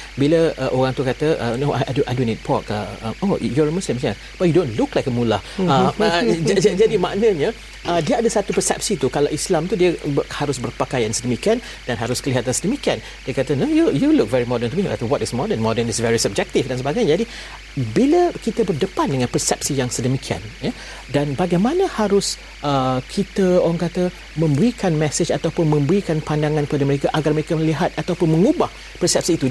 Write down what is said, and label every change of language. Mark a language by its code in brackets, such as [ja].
[ms] Bila orang tu kata, [en] no, I don't need pork. Oh, you're a Muslim, yeah. But you don't look like a mullah. [ms] jadi maknanya, dia ada satu persepsi tu. Kalau Islam tu, dia harus berpakaian sedemikian dan harus kelihatan sedemikian. Dia kata, [en] no, you look very modern to me. I [ms] kata, [en] what is modern? Modern is very subjective [ms] dan sebagainya. Jadi, bila kita berdepan dengan persepsi yang sedemikian, ya, dan bagaimana harus kita, orang kata, memberikan message ataupun memberikan pandangan kepada mereka agar mereka melihat ataupun mengubah persepsi itu.